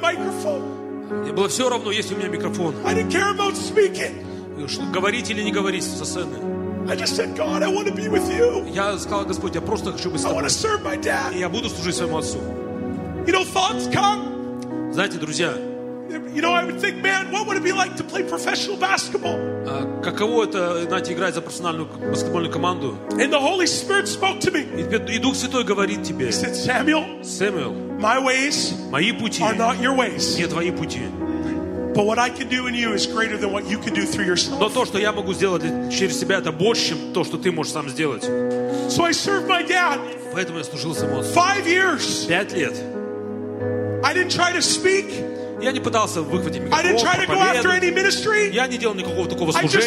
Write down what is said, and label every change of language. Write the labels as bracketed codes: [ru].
[ru] Мне было все равно, есть у меня микрофон. [en] I didn't care about speaking. [ru] Говорить или не говорить со сцены. [en] I just said, God, I want to be with you. [ru] Я сказал, Господь, я просто хочу быть с тобой. [en] I want to serve my dad. [ru] И я буду служить своему отцу. [en] You know, thoughts come. [ru] Знаете, друзья, [en] you know, I would think, man, what would it be like to play professional basketball? [ru] Каково это, знаете, играть за профессиональную баскетбольную команду? [en] And the Holy Spirit spoke to me. [ru] И Дух Святой говорит тебе. [en] He said, Samuel. [ru] Samuel. [en] My ways are not your ways. [ru] Не твои пути. [en] But what I can do in you is greater than what you can do through yourself. [ru] Но то, что я могу сделать через себя, это больше, чем то, что ты можешь сам сделать. [en] So I served my dad. [ru] Поэтому я служил своему отцу. [en] 5 years. [ru] 5 лет. [en] I didn't try to speak. [ru] Я не пытался выхватить микрофон. [en] I didn't try to go after any ministry. [ru] Я не делал никакого такого служения.